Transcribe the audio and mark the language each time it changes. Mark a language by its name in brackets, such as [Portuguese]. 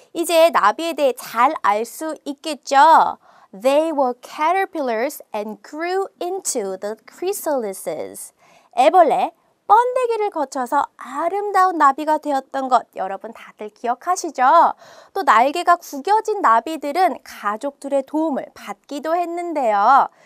[Korean] 이제 나비에 대해 잘 알 수 있겠죠? [English] They were caterpillars and grew into the chrysalises. [Korean] 애벌레, 번데기를 거쳐서 아름다운 나비가 되었던 것 여러분 다들 기억하시죠? 또 날개가 구겨진 나비들은 가족들의 도움을 받기도 했는데요.